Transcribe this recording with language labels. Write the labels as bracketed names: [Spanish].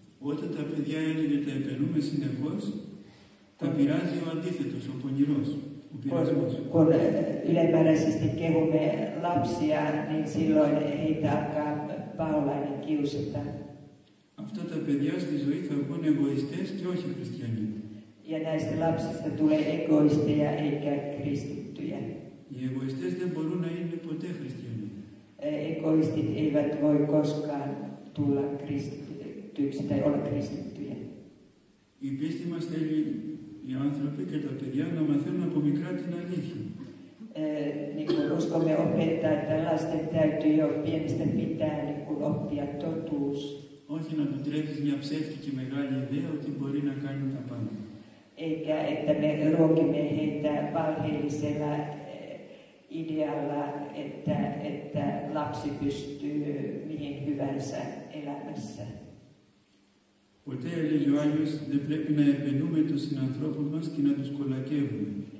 [Greek] Όταν τα παιδιά έλεγε τα επαινούμε συνεχώς, τα πειράζει ο αντίθετος, ο πονηρός. [Finnish] Kun ylemmäräisesti kehumme lapsia, niin silloin heitä alkaa paholainen kiusata. [Greek] Αυτά τα παιδιά στη ζωή θα βγουν εγωιστές και όχι χριστιανοί. [Finnish] Ja näistä lapsista tulee egoisteja eikä kristittyjä. [Greek] Οι εγωιστές δεν μπορούν να είναι ποτέ χριστιανοί. [Finnish] Εγωιστit eivät voi koskaan tulla kristityksi tai olla kristittyjä. [Greek] Η πίστη μας θέλει οι άνθρωποι και τα παιδιά να μαθαίνουν από μικρά την αλήθεια. [Finnish] Niin kuin uskomme opettaa, että lasten täytyy jo pienestä pitää niin kuin oppia totuus. [Greek] Όχι να του τρέχεις μια ψεύτικη μεγάλη ιδέα ότι μπορεί να κάνει τα πάντα. [Finnish] Eikä, että me ruokimme heitä valheellisella idealla, että lapsi pystyy mihin hyvänsä elämässä. [Greek] Ποτέ, έλεγε ο Άγιος, δεν πρέπει να επαινούμε τους συνανθρώπους μας και να τους κολακεύουμε.